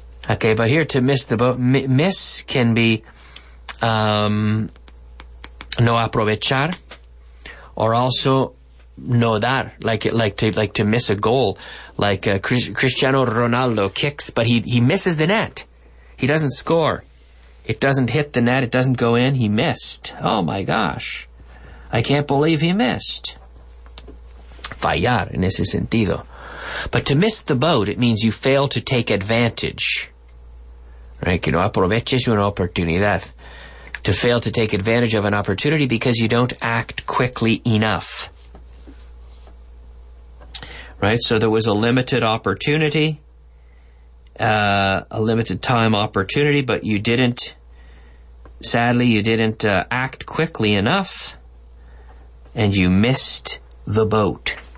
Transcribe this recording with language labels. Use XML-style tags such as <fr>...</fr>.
<en>Okay, but here to miss the boat, miss can be</en> <es>no aprovechar,</es> <en>or also</en> <es>no dar,</es> <en>like to miss a goal, like Cristiano Ronaldo kicks, but he misses the net. He doesn't score. It doesn't hit the net. It doesn't go in. He missed. Oh, my gosh. I can't believe he missed.</en> <es>Fallar, en ese sentido.</es> <en>But to miss the boat, it means you fail to take advantage. Right?</en> <es>Que no aproveches una oportunidad.</es> <en>To fail to take advantage of an opportunity because you don't act quickly enough. Right? So there was a limited opportunity. A limited time opportunity, but you didn't, sadly, you didn't act quickly enough, and you missed the boat.</en>